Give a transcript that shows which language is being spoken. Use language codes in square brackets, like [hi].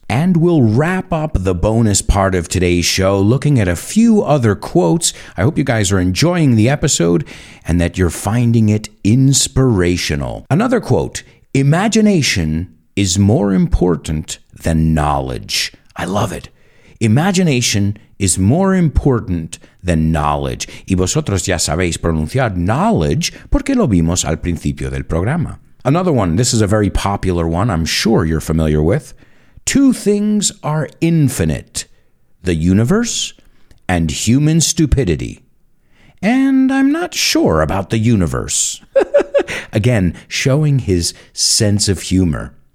[en] And we'll wrap up the bonus part of today's show looking at a few other quotes. I hope you guys are enjoying the episode and that you're finding it inspirational. Another quote: imagination is more important than knowledge. I love it. Imagination is more important than knowledge. [es] Y vosotros ya sabéis pronunciar knowledge porque lo vimos al principio del programa. [en] Another one, this is a very popular one I'm sure you're familiar with. Two things are infinite: the universe and human stupidity. And I'm not sure about the universe. Again, showing his sense of humor.